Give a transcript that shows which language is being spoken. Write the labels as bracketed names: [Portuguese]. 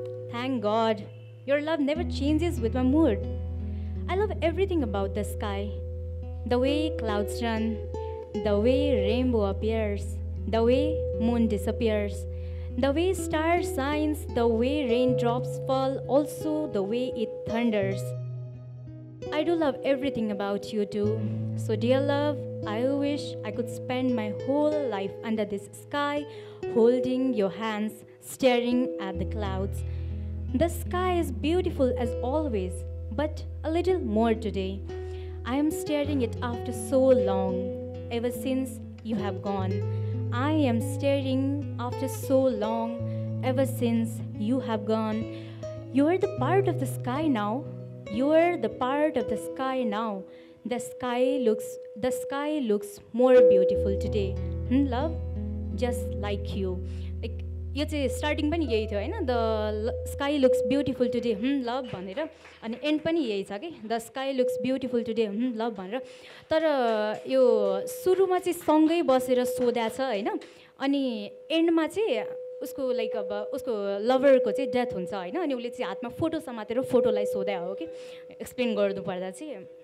[English] Thank god your love never changes with my mood I love everything about the sky the way clouds run the way rainbow appears the way moon disappears The way stars shine, the way raindrops fall, also the way it thunders. I do love everything about you too. So dear love, I wish I could spend my whole life under this sky, holding your hands, staring at the clouds. The sky is beautiful as always, but a little more today. I am staring it after so long, ever since you have gone. I am staring after so long, ever since you have gone. You are the part of the sky now. You are the part of the sky now. The sky looks more beautiful today. Love, just like you. Like, [Nepali] यो चाहिँ starting पनि यही थियो होइन the sky looks beautiful today love भनेर अनि and पनि यही छ कि the sky looks beautiful today love भनेर तर यो सुरुमा चाहिँ सँगै बसेर सोध्या छ होइन अनि एन्डमा चाहिँ उसको लाइक अब उसको लभरको चाहिँ डेथ हुन्छ होइन अनि उसले चाहिँ हातमा फोटो समातेर फोटोलाई सोध्या हो कि एक्सप्लेन गर्नुपर्दा चाहिँ